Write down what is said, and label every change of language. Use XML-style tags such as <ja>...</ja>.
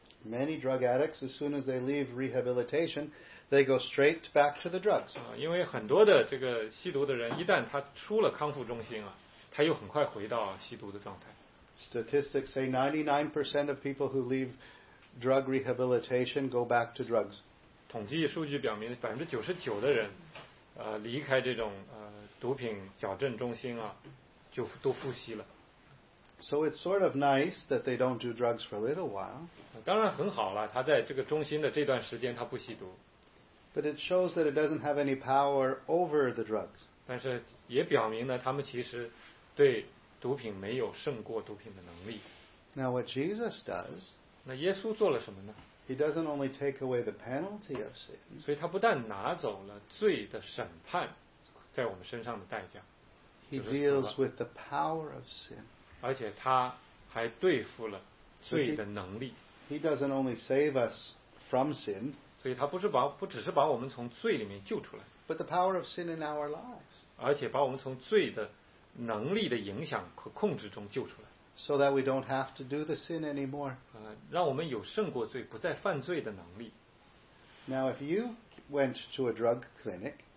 <en>Many drug addicts, as soon as they leave rehabilitation, they go straight back to the drugs.</en> <zh>因为很多的这个吸毒的人，一旦他出了康复中心啊，他又很快回到吸毒的状态。</zh> <en>Statistics say 99% of people who leave drug rehabilitation go back to drugs.</en> <zh>统计数据表明99%的人离开这种毒品矫正中心啊，就都复吸了。</zh> <en>So it's sort of nice that they don't do drugs for a little while.</en> <zh>当然很好了，他在这个中心的这段时间他不吸毒。</zh> <en>But it shows that it doesn't have any power over the drugs.</en> <zh>但是也表明呢，他们其实对毒品没有胜过毒品的能力。</zh> <en>Now what Jesus does?</en> <zh>那耶稣做了什么呢？</zh> <en>He doesn't only take away the penalty of sin.</en> <zh>所以他不但拿走了罪的审判在我们身上的代价。</zh> <en>He deals with the power of sin.</en> <zh>而且他还对付了罪的能力。</zh> <en>He doesn't only save us from sin.</en> <zh>所以他不只是把我们从罪里面救出来。</zh> <en>But the power of sin in our lives.</en> <zh>而且把我们从罪的能力的影响和控制中救出来。</zh> <en>So that we don't have to do the sin anymore.</en> <zh>让我们有胜过罪、不再犯罪的能力。</zh> <en>Now, if you went to a drug clinic,</en>